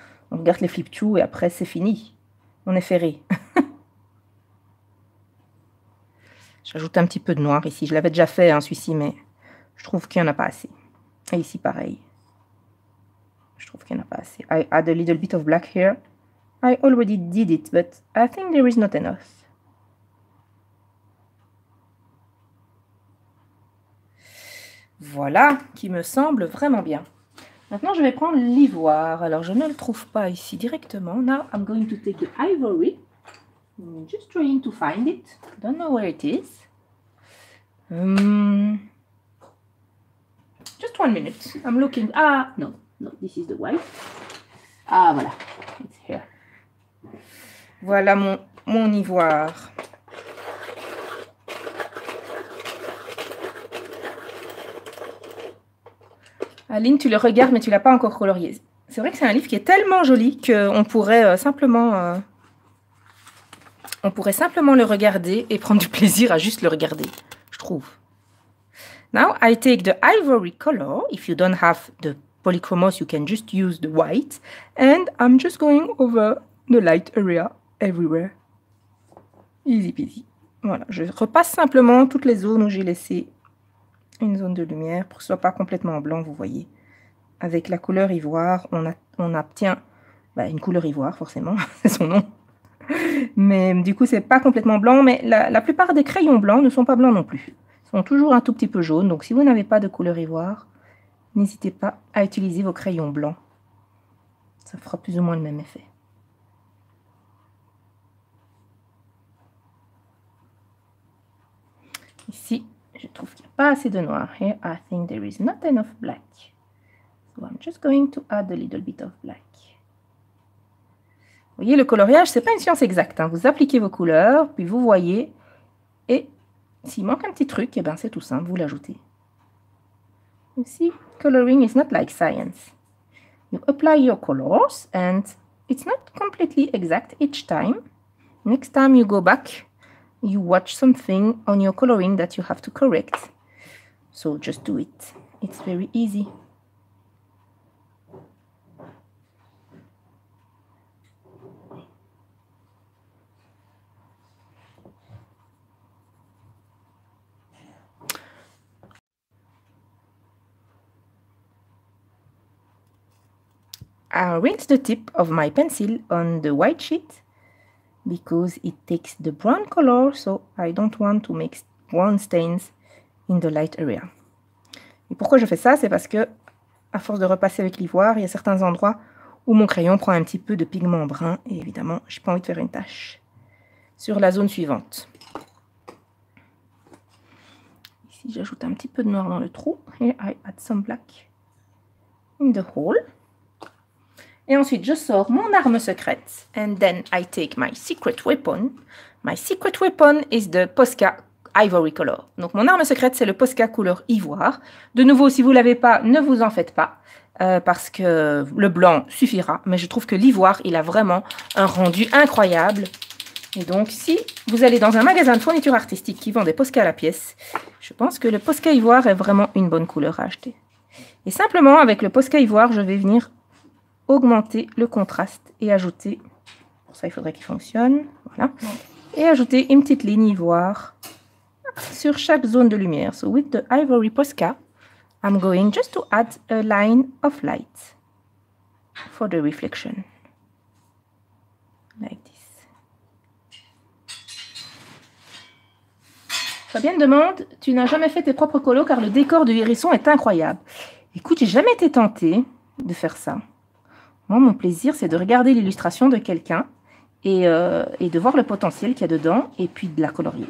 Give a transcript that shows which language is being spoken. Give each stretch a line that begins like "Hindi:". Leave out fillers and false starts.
French: On regarde les flip-chou et après, c'est fini. On est ferré. J'ajoute un petit peu de noir ici. Je l'avais déjà fait, hein, celui-ci, mais je trouve qu'il n'y en a pas assez. Et ici, pareil. Je trouve qu'il n'y en a pas assez.
English: I add a little bit of black here. I already did it, but I think there is not enough.
French: Voilà qui me semble vraiment bien. Maintenant, je vais prendre l'ivoire. Alors, je ne le trouve pas ici directement.
English: Now, I'm going to take the ivory. I'm just trying to find it. Don't know where it is. Just 1 minute. I'm looking. Ah, no. No, this is the white. Ah, voilà. It's here.
French: Voilà mon ivoire. Aline, tu le regardes, mais tu ne l'as pas encore colorié. C'est vrai que c'est un livre qui est tellement joli qu'on pourrait simplement le regarder et prendre du plaisir à juste le regarder, je trouve.
English: Now, I take the ivory color. If you don't have the polychromos, you can just use the white. And I'm just going over the light area everywhere. Easy peasy.
French: Voilà, je repasse simplement toutes les zones où j'ai laissé une zone de lumière pour que ce soit pas complètement blanc, vous voyez. Avec la couleur ivoire, on obtient une couleur ivoire, forcément, c'est son nom. Mais du coup, c'est pas complètement blanc, mais la plupart des crayons blancs ne sont pas blancs non plus. Ils sont toujours un tout petit peu jaunes, donc si vous n'avez pas de couleur ivoire, n'hésitez pas à utiliser vos crayons blancs. Ça fera plus ou moins le même effet. Ici, je trouve qu'il n'y a pas assez de noir.
English: Here, I think there is not enough black. So I'm just going to add a little bit of black.
French: Vous voyez, le coloriage, ce n'est pas une science exacte. Hein. Vous appliquez vos couleurs, puis vous voyez. Et s'il manque un petit truc, eh ben, c'est tout simple, vous l'ajoutez.
English: You see, coloring is not like science. You apply your colors and it's not completely exact each time. Next time you go back, you watch something on your coloring that you have to correct. So just do it. It's very easy. I rinse the tip of my pencil on the white sheet because it takes the brown color, so I don't want to make brown stains in the light area.
French: Et pourquoi je fais ça? C'est parce que, à force de repasser avec l'ivoire, il y a certains endroits où mon crayon prend un petit peu de pigment brun et évidemment, je n'ai pas envie de faire une tache sur la zone suivante. Ici, j'ajoute un petit peu de noir dans le trou.
English: Here I add some black in the hole.
French: Et ensuite, je sors mon arme secrète.
English: And then I take my secret weapon. My secret weapon is the Posca Ivory Color.
French: Donc, mon arme secrète, c'est le Posca couleur ivoire. De nouveau, si vous ne l'avez pas, ne vous en faites pas. Parce que le blanc suffira. Mais je trouve que l'ivoire, il a vraiment un rendu incroyable. Et donc, si vous allez dans un magasin de fourniture artistique qui vend des Posca à la pièce, je pense que le Posca ivoire est vraiment une bonne couleur à acheter. Et simplement, avec le Posca ivoire, je vais venir augmenter le contraste et ajouter, pour ça il faudrait qu'il fonctionne, voilà, et ajouter une petite ligne ivoire sur chaque zone de lumière.
English: So with the ivory Posca, I'm going just to add a line of light for the reflection, like this.
French: Fabienne demande, tu n'as jamais fait tes propres colos car le décor du hérisson est incroyable. Écoute, j'ai jamais été tentée de faire ça. Moi, mon plaisir, c'est de regarder l'illustration de quelqu'un et de voir le potentiel qu'il y a dedans et puis de la colorier.